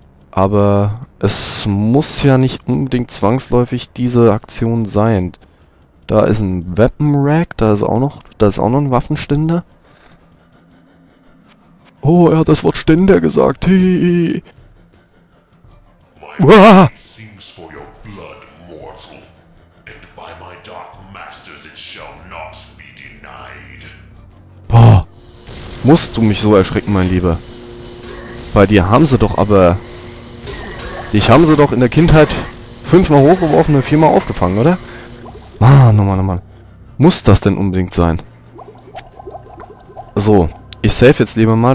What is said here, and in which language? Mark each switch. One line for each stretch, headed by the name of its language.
German: Aber es muss ja nicht unbedingt zwangsläufig diese Aktion sein. Da ist ein Weapon Rack, da ist auch noch ein Waffenständer. Oh, er hat das Wort Ständer gesagt. Hihihi.
English: Sings for your blood, mortal, and by my dark masters it shall not be denied.
German: Boah, musst du mich so erschrecken, mein Lieber? Bei dir haben sie doch aber... Dich haben sie doch in der Kindheit 5-mal hochgeworfen und 4-mal aufgefangen, oder? Mann, nochmal. Muss das denn unbedingt sein? So, ich save jetzt lieber mal.